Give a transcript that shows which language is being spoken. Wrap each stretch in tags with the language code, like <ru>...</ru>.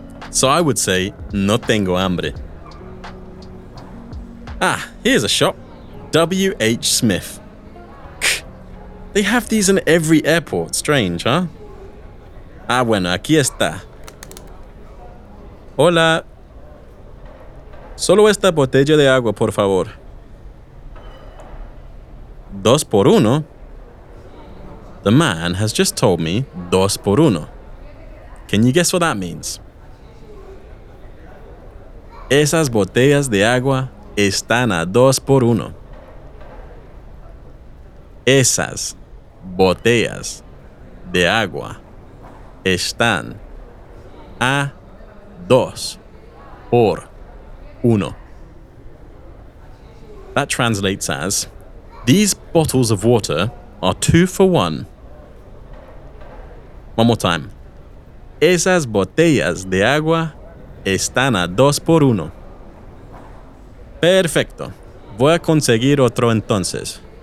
<en>So I would say,</en> <es>no tengo hambre.</es> <en>Ah, here's a shop. W.H. Smith. They have these in every airport. Strange, huh?</en> <es>Ah, bueno, aquí está. Hola. Solo esta botella de agua, por favor. Dos por uno.</es> <en>The man has just told me</en> <es>dos por uno.</es> <en>Can you guess what that means?</en> <es>Esas botellas de agua están a dos por uno. Esas botellas de agua están a dos por uno.</es> <en>That translates as, these bottles of water are two for one. One more time.</en> <es>Esas botellas de agua están a dos por uno. Perfecto. Voy a conseguir otro entonces.</es>